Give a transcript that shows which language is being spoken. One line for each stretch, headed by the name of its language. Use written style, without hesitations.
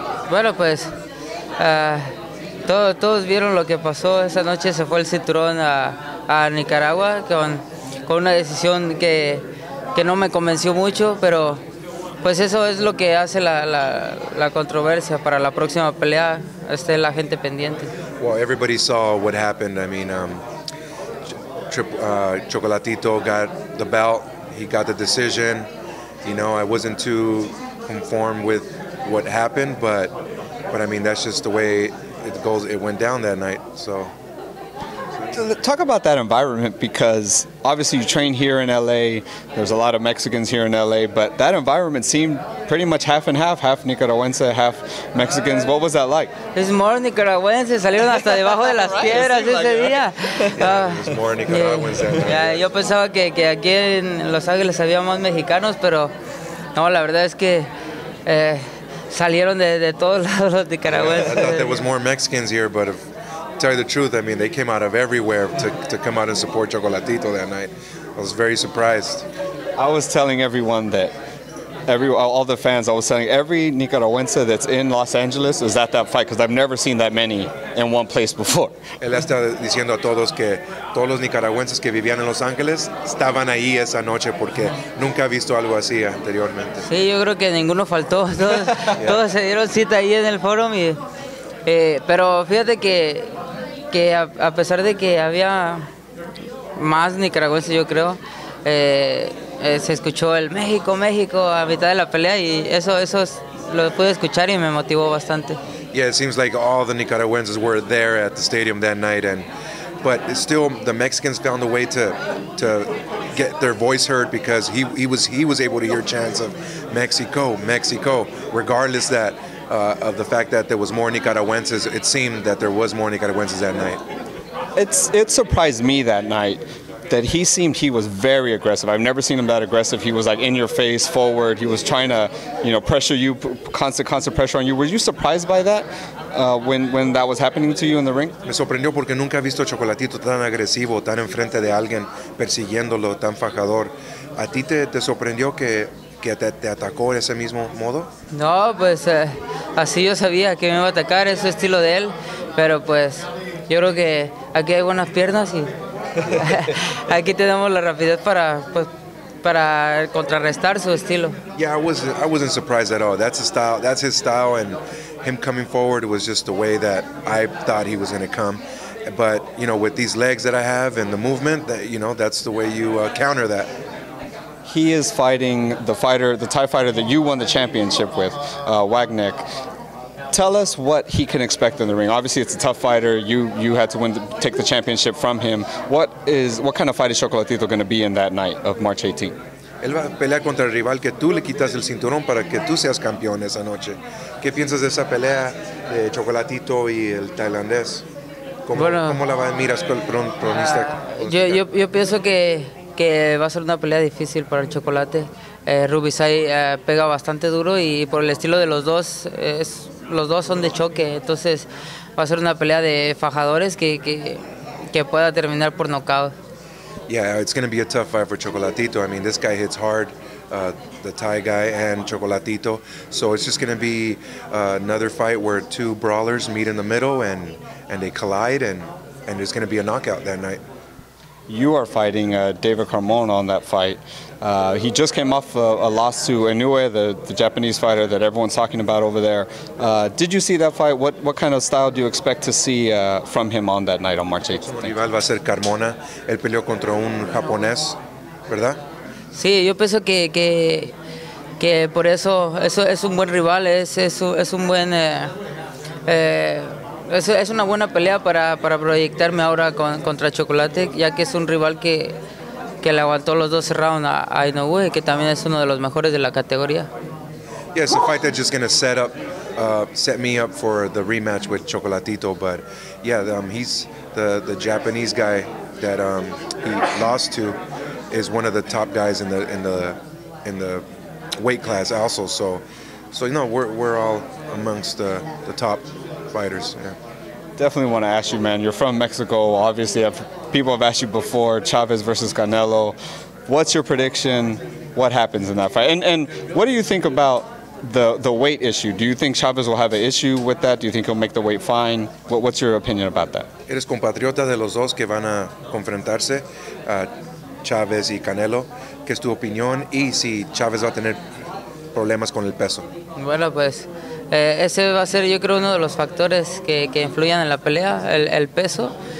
Spanish: Bueno, pues, todos vieron lo que pasó esa noche. Se fue el cinturón a Nicaragua con una decisión que no me convenció mucho, pero... Pues eso es lo que hace la controversia para la próxima pelea, esté la gente pendiente.
English: Well, everybody saw what happened. I mean, Chocolatito got the belt, he got the decision. You know, I wasn't too conformed with what happened, but I mean, that's just the way it goes. It went down that night, so... Talk about that environment, because obviously you train here in L.A., there's a lot of Mexicans here in L.A., but that environment seemed pretty much half and half, half Nicaragüense, half Mexicans. What was that like? It's more
Spanish: Nicaragüense, salieron hasta debajo de las piedras ese día.
English: Yeah, it was more Nicaragüense. Yeah,
Spanish: yo pensaba que aquí en Los Ángeles había más mexicanos, pero no, la verdad es que salieron de todos lados los Nicaragüenses.
English: I thought there was more Mexicans here, but... Tell you the truth, I mean, they came out of everywhere to come out and support Chocolatito that night. I was very surprised. I was telling everyone that, all the fans, I was telling every Nicaragüense that's in Los Angeles is at that fight, because I've never seen that many in one place before.
Spanish: Él está diciendo a todos que todos los nicaragüenses que vivían en Los Ángeles estaban ahí esa noche porque nunca ha visto algo así anteriormente. Sí, yo creo que ninguno faltó. Todos,
English: yeah.
Spanish: Todos se dieron cita ahí en el forum y... pero fíjate que a pesar de que había más nicaragüenses, yo creo, se escuchó el México, México a mitad de la pelea y eso es, lo pude escuchar y me motivó bastante.
English: Yeah, it seems like all the Nicaragüenses were there at the stadium that night, but still the Mexicans found a way to get their voice heard, because he was able to hear chants of Mexico, Mexico, regardless that. Of the fact that there was more Nicaragüenses, it seemed that there was more Nicaragüenses that night. It surprised me that night that he was very aggressive. I've never seen him that aggressive. He was like in your face, forward. He was trying to, you know, pressure you, constant pressure on you. Were you surprised by that when that was happening to you in the ring?
Spanish: Me sorprendió porque nunca he visto Chocolatito tan agresivo, tan enfrente de alguien, persiguiéndolo, tan fajador. ¿A ti te sorprendió que te atacó de ese mismo modo? No, pues así yo sabía que me iba a atacar, ese estilo de él, pero pues yo creo que aquí hay buenas piernas y aquí tenemos la rapidez para, pues, para contrarrestar su estilo.
English: Yeah, I wasn't surprised at all. That's his style, and him coming forward was just the way that I thought he was going to come. But, you know, with these legs that I have and the movement, that, you know, that's the way you counter that. He is fighting the fighter, the Thai fighter that you won the championship with, Wagnick. Tell us what he can expect in the ring. Obviously, it's a tough fighter. You had to take the championship from him. What kind of fight is Chocolatito going to be in that night of March 18th?
Spanish: Él va a pelear contra el rival que tú le quitas el cinturón para que tú seas campeón esa noche. ¿Qué piensas de esa pelea de Chocolatito y el tailandés? ¿Cómo la miras pronista? Yo pienso que va a ser una pelea difícil para el Chocolate. Rubisai pega bastante duro y por el estilo de los dos, los dos son de choque. Entonces va a ser una pelea de fajadores que pueda terminar por knockout.
English: Yeah, it's going to be a tough fight for Chocolatito. I mean, this guy hits hard, the Thai guy and Chocolatito. So it's just going to be another fight where two brawlers meet in the middle and they collide and there's going to be a knockout that night. You are fighting David Carmona on that fight. He just came off a loss to Inoue, the Japanese fighter that everyone's talking about over there. Did you see that fight? What kind of style do you expect to see from him on that night on March 18th?
Spanish: Su rival va a ser Carmona. Él peleó contra un japonés, ¿verdad? Sí, yo pienso que que por eso, eso es un buen rival, es un buen es una buena pelea para proyectarme ahora contra Chocolate, ya que es un rival que le aguantó los 12 rounds a Inoue, que también es uno de los mejores de la categoría.
English: Yeah, it's a fight that's just going to set me up for the rematch with Chocolatito, but yeah, he's the Japanese guy that he lost to is one of the top guys in the weight class also, so you know, we're all amongst the top fighters. Yeah. Definitely want to ask you, man, you're from Mexico, obviously people have asked you before, Chavez versus Canelo, what's your prediction, what happens in that fight, and what do you think about the weight issue? Do you think Chavez will have an issue with that? Do you think he'll make the weight fine? What's your opinion about that?
Spanish: Eres compatriota de los dos que van a enfrentarse, Chavez y Canelo. ¿Qué es tu opinión? ¿Y si Chavez va a tener problemas con el peso? Bueno, pues ese va a ser, yo creo, uno de los factores que influyan en la pelea, el peso.